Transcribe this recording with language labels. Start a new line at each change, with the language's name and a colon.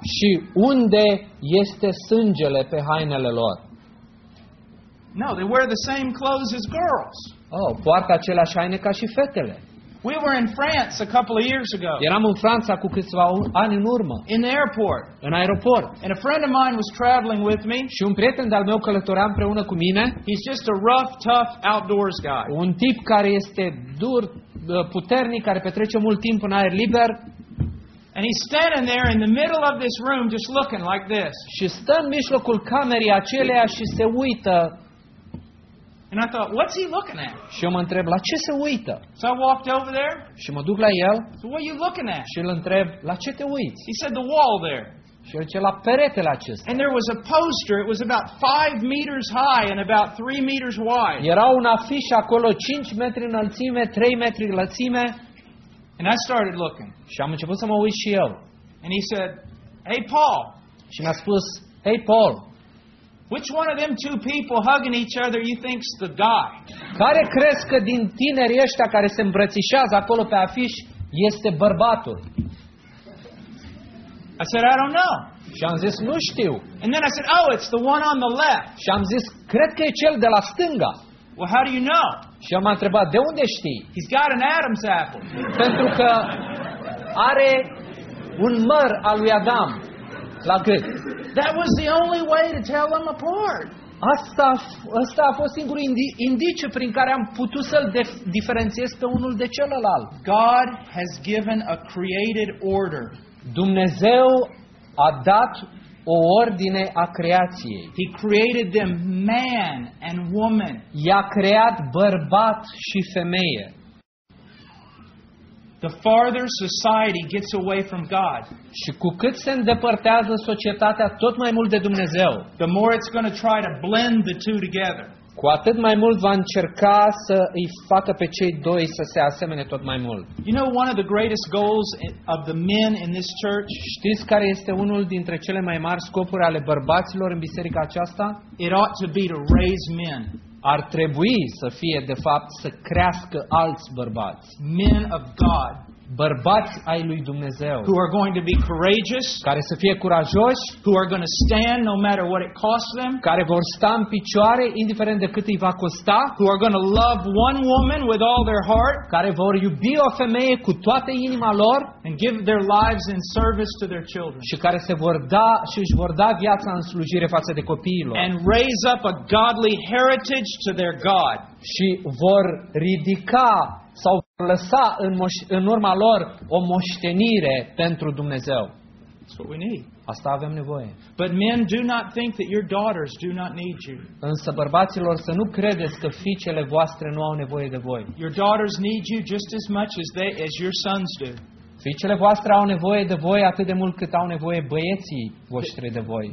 Romanian: Și unde este sângele pe hainele lor?
English: No, they wear the same clothes as girls.
Romanian: Oh, poartă aceleași haine ca și fetele.
English: We were in France a couple of years ago.
Romanian: Eram în Franța cu câțiva ani în urmă.
English: In the airport.
Romanian: În aeroport.
English: And a friend of mine was traveling with me.
Romanian: Și un prieten de-al meu călătorea împreună cu mine.
English: He's just a rough, tough outdoors guy.
Romanian: Un tip care este dur, puternic, care petrece mult timp în aer liber.
English: And he's standing there in the middle of this room just looking like this.
Romanian: Și stă în mijlocul camerei aceleia și se uită.
English: And I thought, what's he looking at?
Romanian: Și eu mă întreb, la ce se uită?
English: So I walked over there.
Romanian: Și mă duc la el.
English: So what are you looking at?
Romanian: Și îl întreb, la ce te uiți?
English: He said, the wall there.
Romanian: Și el zice, la peretele acesta.
English: And there was a poster, it was about 5 meters high and about 3 meters wide.
Romanian: Era un afiș acolo, 5 metri înălțime, 3 metri lățime.
English: And I started looking.
Romanian: Și am început să mă uit și eu.
English: And he said, "Hey Paul."
Romanian: Și mi-a spus, "Hey Paul."
English: Which one of them two people hugging each other you think's the guy?
Romanian: Care crezi că din tinerii ăștia care se îmbrățișează acolo pe afiș este bărbatul?
English: I said, I don't know.
Romanian: Și am zis, nu știu.
English: And then I said, oh, it's the one on the left.
Romanian: Și am zis, cred că e cel de la stânga.
English: Well, how do you know?
Romanian: Și m-a întrebat, de unde știi?
English: He's got an Adam's apple.
Romanian: Pentru că are un măr al lui Adam la gât.
English: That was the only way to tell them apart.
Romanian: Asta a fost singurul indiciu prin care am putut să-l diferențiez pe unul de celălalt.
English: God has given a created order.
Romanian: Dumnezeu a dat o ordine a creației.
English: He created them man and woman.
Romanian: I-a creat bărbat și femeie.
English: The farther society gets away from God,
Romanian: și cu cât se îndepărtează societatea tot mai mult de Dumnezeu,
English: the more it's going to try to blend the two together.
Romanian: Cu atât mai mult va încerca să îi facă pe cei doi să se asemene tot mai mult.
English: You know, one of the greatest goals of the men in this church?
Romanian: Știți care este unul dintre cele mai mari scopuri ale bărbaților în biserica aceasta?
English: It ought to be to raise men.
Romanian: Ar trebui să fie, de fapt, să crească alți bărbați.
English: Men of God.
Romanian: Bărbați ai lui Dumnezeu.
English: Who are going to be courageous?
Romanian: Care să fie curajoși?
English: Who are going to stand no matter what it costs them?
Romanian: Care vor sta în picioare indiferent de cât îi va costa?
English: Who are going to love one woman with all their heart?
Romanian: Care vor iubi o femeie cu toată inima lor?
English: And give their lives in service to their children.
Romanian: Și care se vor da și își vor da viața în slujire față de copiilor.
English: And raise up a godly heritage to their God.
Romanian: Și vor ridica sau lăsa în urma lor o moștenire pentru Dumnezeu.
English: That's what we need.
Romanian: Asta avem nevoie.
English: But men, do not think that your daughters do not need you.
Romanian: Însă bărbaților, să nu credeți că fiicele voastre nu au nevoie de voi.
English: Your daughters need you just as much as your sons do.
Romanian: Fiicele voastre au nevoie de voi atât de mult cât au nevoie băieții voștri de voi.